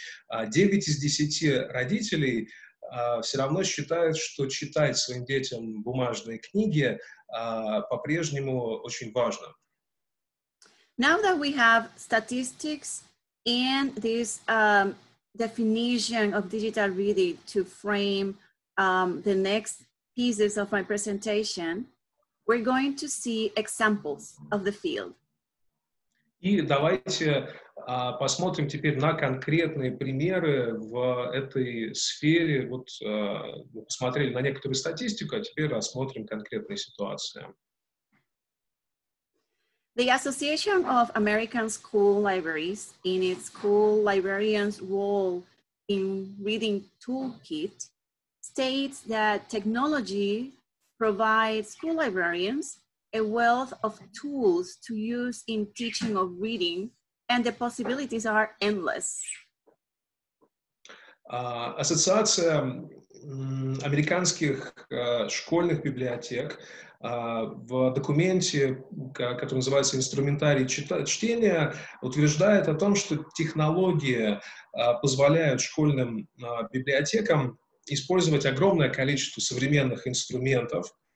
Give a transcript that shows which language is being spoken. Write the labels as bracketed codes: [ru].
[ru] 9 из 10 родителей все равно считают, что читать своим детям бумажные книги по-прежнему очень важно. [en] Now that we have statistics and this definition of digital reading to frame the next pieces of my presentation, We're going to see examples of the field. [ru] И давайте посмотрим теперь на конкретные примеры в этой сфере. Вот мы посмотрели на некоторую статистику, а теперь рассмотрим конкретные ситуации. [en] The Association of American School Libraries in its School Librarians Role in Reading Toolkit states that technology provides school librarians a wealth of tools to use in teaching of reading, and the possibilities are endless. [ru] Ассоциация американских школьных библиотек в документе, который называется «Инструментарий чтения», утверждает о том, что технологии позволяют школьным библиотекам использовать огромное количество современных инструментов,